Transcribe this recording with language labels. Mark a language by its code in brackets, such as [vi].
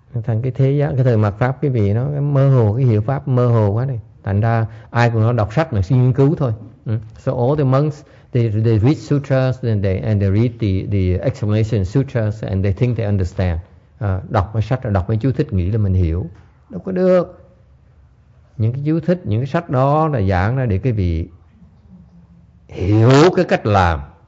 [vi] Thành cái thế giới, cái thời mặt pháp quý vị nó mơ hồ, cái hiểu pháp mơ hồ quá đi. Thành ra ai cũng nói đọc sách mà suy nghiên cứu thôi. [en] So all the monks they read sutras and they read the explanation sutras and they think they understand. [vi] Đọc mấy sách, đọc mấy chú thích nghĩ là mình hiểu. Đâu có được. Những cái chú thích, những cái sách đó là giảng ra để quý vị hiểu cái cách làm.